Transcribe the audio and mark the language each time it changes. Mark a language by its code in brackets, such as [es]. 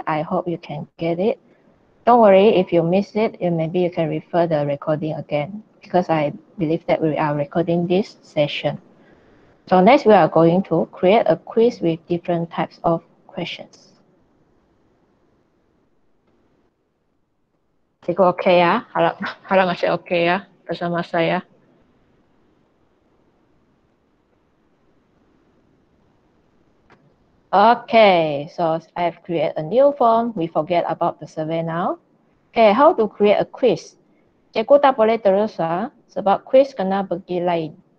[en] I hope you can get it. Don't worry if you miss it. Maybe you can refer the recording again because I believe that we are recording this session. So next, we are going to create a quiz with different types of questions. [ms] Cikgu okay ya? Harap masih okay ya bersama saya. [en] Okay, so I have created a new form. We forget about the survey now. Okay, how to create a quiz? [ms] Cikgu tak boleh terus sebab quiz kena pergi lain.